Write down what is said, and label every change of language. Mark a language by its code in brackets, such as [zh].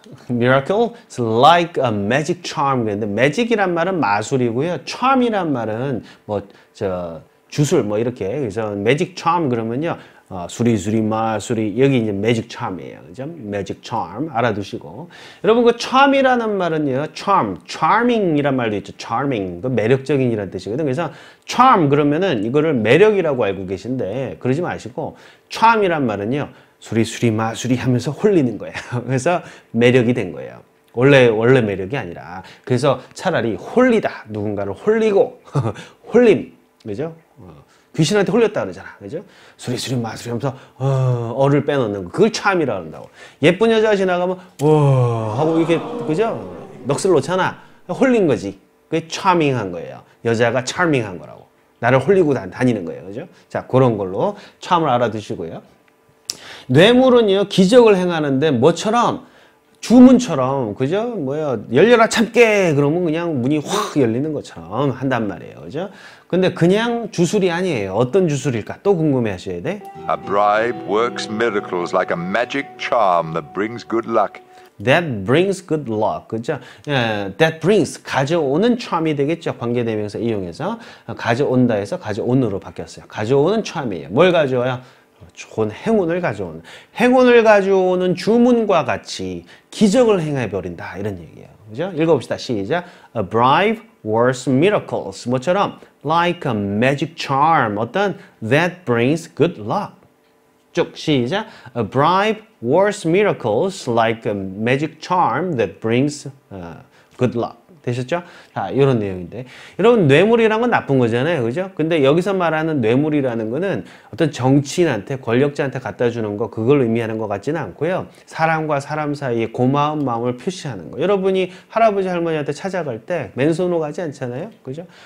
[en] Miracle is like a magic charm. [ko] 근데 magic이란 말은 마술이고요. charm이란 말은 뭐 저 주술 뭐 이렇게. 그래서 magic charm 그러면요. 수리수리 마술이 여기 이제 magic charm이에요. 그죠? magic charm 알아두시고. 여러분 그 charm이라는 말은요. charm, charming이란 말도 있죠. charming. 그 매력적인이란 뜻이거든. 그래서 charm 그러면은 이거를 매력이라고 알고 계신데 그러지 마시고 charm이란 말은요. 수리수리 마술이 하면서 홀리는 거예요. 그래서 매력이 된 거예요. 원래 매력이 아니라. 그래서 차라리 홀리다. 누군가를 홀리고 홀림. 그죠? 귀신한테 홀렸다 그러잖아. 그죠? 수리수리 마술이 하면서 어를 빼놓는 거. 그걸 참이라 한다고. 예쁜 여자가 지나가면 와 하고 이렇게 그죠? 넋을 놓잖아. 홀린 거지. 그게 charming한 거예요. 여자가 charming한 거라고. 나를 홀리고 다니는 거예요. 그죠? 자, 그런 걸로 참을 알아두시고요. 뇌물은요, 기적을 행하는데, 뭐처럼, 주문처럼, 그죠? 뭐야, 열려라 참깨! 그러면 그냥 문이 확 열리는 것처럼 한단 말이에요. 그죠? 근데 그냥 주술이 아니에요. 어떤 주술일까? 또 궁금해 하셔야 돼. [en] A bribe works miracles like a magic charm that brings good luck. That brings good luck. [ko] 그죠? [en] That brings. [ko] 가져오는 charm이 되겠죠. 관계대명사 이용해서. 가져온다 해서 가져온으로 바뀌었어요. 가져오는 charm이에요. 뭘 가져와요? 좋은 행운을 가져오는 주문과 같이 기적을 행해 버린다 이런 얘기예요. 그죠? 읽어봅시다. 시작. [en] A bribe works miracles. [ko] 뭐처럼 [en] like a magic charm. [ko] 어떤 [en] that brings good luck. [ko] 쭉 시작. [en] A bribe works miracles like a magic charm that brings good luck. [ko] 되셨죠? 자, 이런 내용인데. 여러분, 뇌물이라는 건 나쁜 거잖아요. 그죠? 근데 여기서 말하는 뇌물이라는 거는 어떤 정치인한테, 권력자한테 갖다 주는 거, 그걸 의미하는 것 같지는 않고요. 사람과 사람 사이에 고마운 마음을 표시하는 거. 여러분이 할아버지, 할머니한테 찾아갈 때 맨손으로 가지 않잖아요. 그죠?